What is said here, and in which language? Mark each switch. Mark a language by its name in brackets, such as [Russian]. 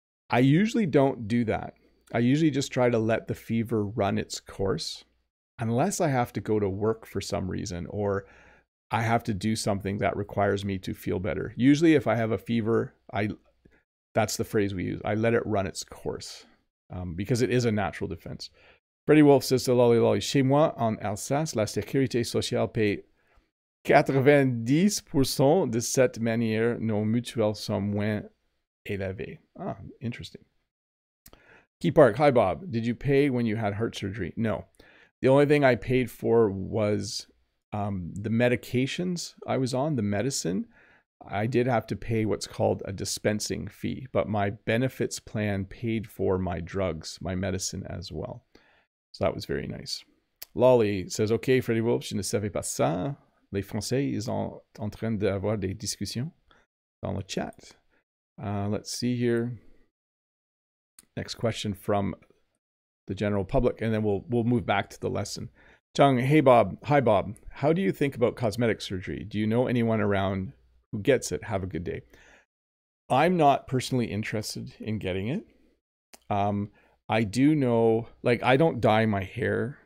[English] I usually don't do that. I usually just try to let the fever run its course unless I have to go to work for some reason or I have to do something that requires me to feel better. Usually if I have a fever, that's the phrase we use. I let it run its course because it is a natural defense. [French] Freddy Wolf [English] says to [French] Lolly Lolly, chez moi en Alsace, la sécurité sociale paye 90% de cette manière, nos mutuelles sont moins élevées. Ah, interesting. Key Park, hi Bob. Did you pay when you had heart surgery? No. The only thing I paid for was the medications I was on, the medicine. I did have to pay what's called a dispensing fee, but my benefits plan paid for my drugs, my medicine as well. So that was very nice. Lolly [English] says, okay, [French] Freddy Wolf, je ne savais pas ça. Les Français, ils sont en train d'avoir des discussions dans le chat. [English] Let's see here. Next question from the general public, and then we'll move back to the lesson. Chung, hey Bob. Hi Bob. How do you think about cosmetic surgery? Do you know anyone around who gets it? Have a good day. I'm not personally interested in getting it. I do know, like, I don't dye my hair.